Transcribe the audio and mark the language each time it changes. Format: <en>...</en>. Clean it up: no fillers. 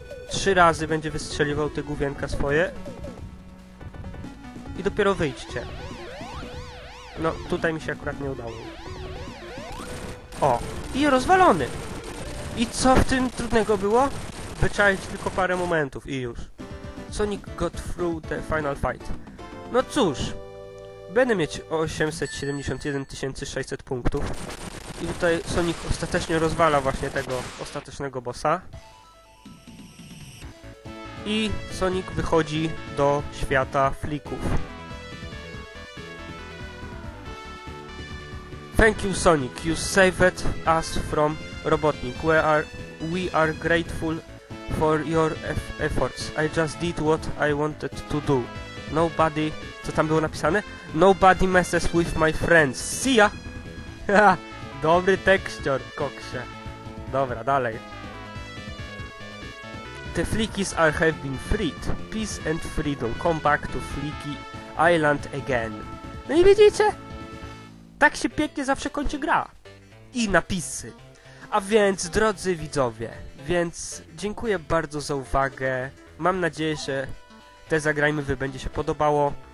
<pl>Trzy razy będzie wystrzeliwał te główienka swoje. I dopiero wyjdźcie. No, tutaj mi się akurat nie udało. O, i rozwalony. I co w tym trudnego było? Wyczaić tylko parę momentów i już.</pl> <en>Sonic got through the final fight.</en> <pl>No cóż. Będę mieć 871 600 punktów. I tutaj Sonic ostatecznie rozwala właśnie tego ostatecznego bossa. I Sonic wychodzi do świata flików.</pl> <en>Thank you, Sonic. You saved us from Robotnik. We are grateful for your efforts. I just did what I wanted to do. Nobody...</en> <pl>Co tam było napisane?</pl> <en>Nobody messes with my friends. See ya!</en> <pl>Dobry tekstior, koksie. Dobra, dalej.</pl> <en>The Flikies have been freed. Peace and freedom. Come back to Fliki Island again.</en> <pl>No i widzicie? Tak się pięknie zawsze kończy gra. I napisy. A więc, drodzy widzowie, więc dziękuję bardzo za uwagę. Mam nadzieję, że te Zagrajmy Wy będzie się podobało.</pl>